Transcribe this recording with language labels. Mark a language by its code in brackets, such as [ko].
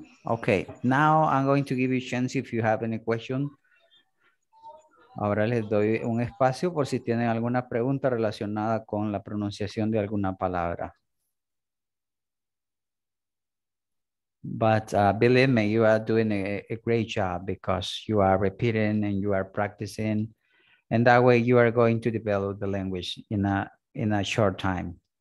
[en] Okay, now I'm going to give you a chance if you have any question. [es] Ahora les doy un espacio por si tienen alguna pregunta relacionada con la pronunciación de alguna palabra. [en] But believe me, you are doing a great job because you are repeating and you are practicing. And that way you are going to develop the language in a short time.